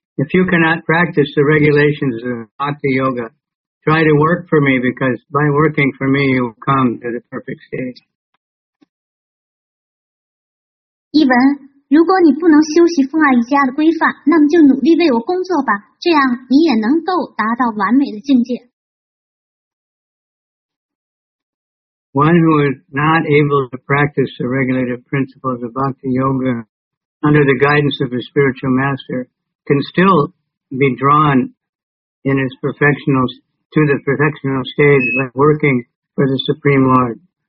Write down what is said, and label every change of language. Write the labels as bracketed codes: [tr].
[en] If you cannot practice the regulations of Bhakti Yoga, try to work for me because by working for me, you will come to the perfect state. [zh] 译文如果你不能修习风儿瑜伽的规范，那么就努力为我工作吧，这样你也能够达到完美的境界。 [en] One who is not able to practice the regulative principles of Bhakti Yoga under the guidance of a spiritual master can still be drawn in his perfectional to the perfectional stage by working for the Supreme Lord.